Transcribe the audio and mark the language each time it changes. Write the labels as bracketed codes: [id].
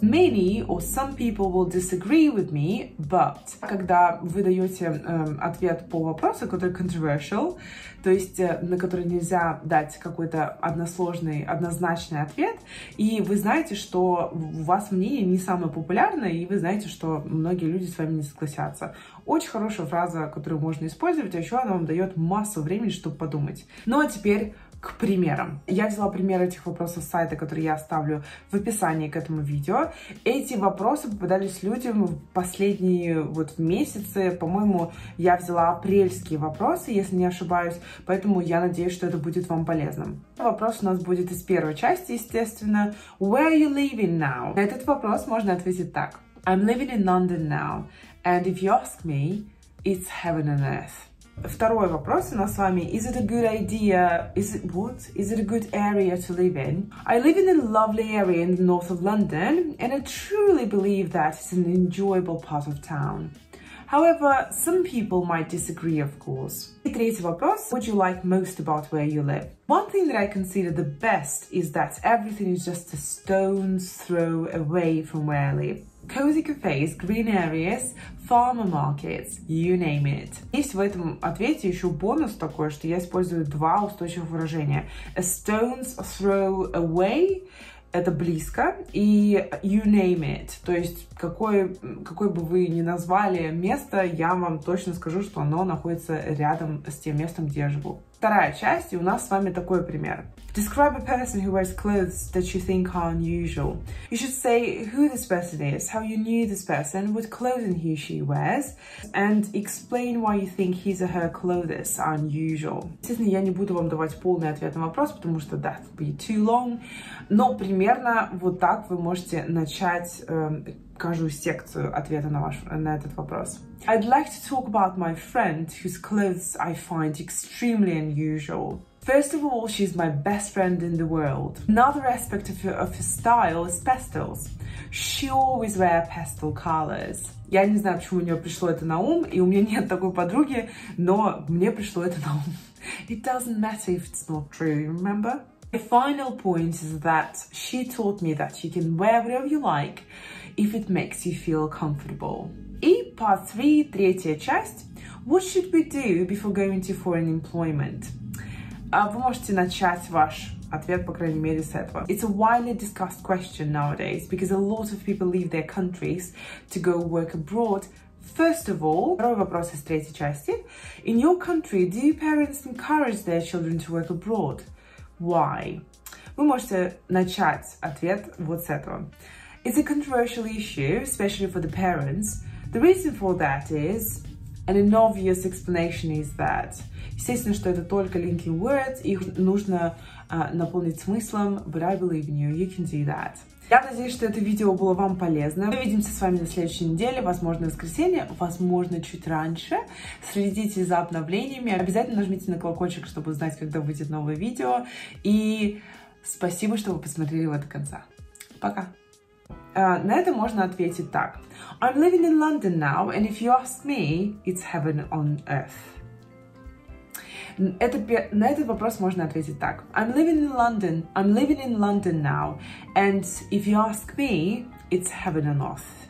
[en] Many or some people will disagree with me, but... [ru] Когда вы даете ответ по вопросу, который controversial, то есть на который нельзя дать какой-то односложный, однозначный ответ, и вы знаете, что... у вас мнение не самое популярное, и вы знаете, что многие люди с вами не согласятся. Очень хорошая фраза, которую можно использовать, а еще она вам дает массу времени, чтобы подумать. Ну а теперь к примерам. Я взяла пример этих вопросов с сайта, который я оставлю в описании к этому видео. Эти вопросы попадались людям в последние вот месяцы. По-моему, я взяла апрельские вопросы, если не ошибаюсь, поэтому я надеюсь, что это будет вам полезным. Вопрос у нас будет из первой части, естественно. [en] Where are you living now? [ru] На этот вопрос можно ответить так. [en] I'm living in London now, and if you ask me, it's heaven on earth. [ru] Второй вопрос у нас с вами. [en] Is it a good idea? Is it what? Is it a good area to live in? I live in a lovely area in the north of London, and I truly believe that it's an enjoyable part of town. However, some people might disagree, of course. [ru] И третий вопрос. [en] What do you like most about where you live? One thing that I consider the best is that everything is just a stone's throw away from where I live. Cozy cafes, green areas, farmer markets, you name it. [ru] Есть в этом ответе еще бонус такой, что я использую два устойчивых выражения. [en] A stone's throw away – [ru] это близко, [en] и you name it. [ru] То есть, какое бы вы ни назвали место, я вам точно скажу, что оно находится рядом с тем местом, где я живу. Вторая часть, и у нас с вами такой пример. [en] Describe a person who wears clothes that you think are unusual. You should say who this person is, how you knew this person, what clothing he or she wears, and explain why you think his or her clothes are unusual. [ru] Естественно, я не буду вам давать полный ответ на вопрос, потому что [en] that would be too long. [ru] Но примерно вот так вы можете начать каждую секцию ответа на этот вопрос. [en] I'd like to talk about my friend whose clothes I find extremely unusual. First of all, she's my best friend in the world. Another aspect of her style is pastels. She always wears pastel colors. [ru] Я не знаю, почему у нее пришло это на ум, и у меня нет такой подруги, но мне пришло это на ум. [en] It doesn't matter if it's not true, you remember? The final point is that she taught me that you can wear whatever you like if it makes you feel comfortable. [ru] И [en] part 3, [ru] третья часть. [en] What should we do before going to foreign employment? [ru] Вы можете начать ваш ответ, по крайней мере, с этого. [en] It's a widely discussed question nowadays, because a lot of people leave their countries to go work abroad. First of all, [ru] второй вопрос из третьей части. [en] In your country, do parents encourage their children to work abroad? Why? [ru] Вы можете начать ответ вот с этого. [en] It's a controversial issue, especially for the parents. The reason for that is... And an obvious explanation is that. [ru] Естественно, что это только linking words, их нужно наполнить смыслом. [en] But I believe in you, you can do that. [ru] Я надеюсь, что это видео было вам полезно. Мы увидимся с вами на следующей неделе, возможно, в воскресенье, возможно, чуть раньше. Следите за обновлениями. Обязательно нажмите на колокольчик, чтобы узнать, когда выйдет новое видео. И спасибо, что вы посмотрели его до конца. Пока! На это можно ответить так. [en] I'm living in London now, and if you ask me, it's heaven on earth. [ru] На этот вопрос можно ответить так. [en] I'm living in London now, and if you ask me, it's heaven on earth.